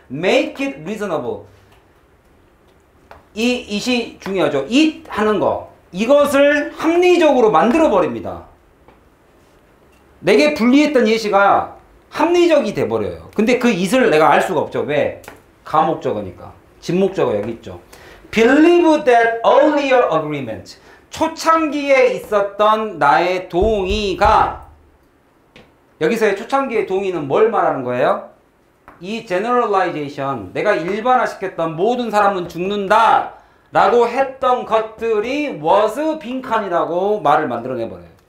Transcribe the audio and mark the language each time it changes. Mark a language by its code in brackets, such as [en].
[en] Make it reasonable. [ko] 이 중요하죠. It 하는 거. 이것을 합리적으로 만들어버립니다. 내게 불리했던 예시가 합리적이 돼버려요. 근데 그 it을 내가 알 수가 없죠. 왜? 가목적어니까. 진목적어 여기 있죠. [en] Believe that earlier agreement. [ko] 초창기에 있었던 나의 동의가 여기서의 초창기의 동의는 뭘 말하는 거예요? 이 generalization. 내가 일반화시켰던 모든 사람은 죽는다. 라고 했던 것들이 was 빈칸이라고 말을 만들어내버려요.